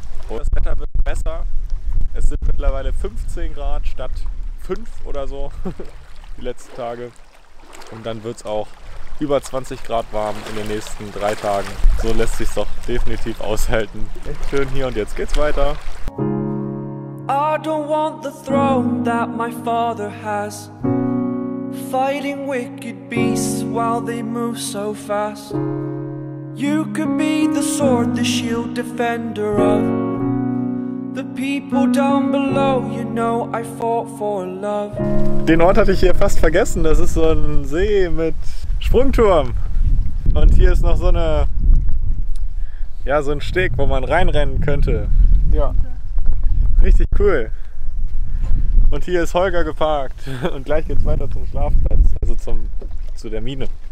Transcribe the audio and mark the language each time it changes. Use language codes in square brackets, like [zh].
[de] Und das Wetter wird besser. Es sind mittlerweile 15 Grad statt 5 oder so die letzten Tage. Und dann wird es auch über 20 Grad warm in den nächsten 3 Tagen. So lässt sich's doch definitiv aushalten. Echt schön hier und jetzt geht's weiter. [en] I don't want the throne that my father has. Fighting wicked beasts while they move so fast. You could be the sword, the shield, defender of the people down below, you know I fought for love. [de] Den Ort hatte ich hier fast vergessen. Das ist so ein See mit Sprungturm. Und hier ist noch so ein Steg, wo man reinrennen könnte. Ja. Richtig cool. Und hier ist Holger geparkt. Und gleich geht's weiter zum Schlafplatz, also zu der Mine.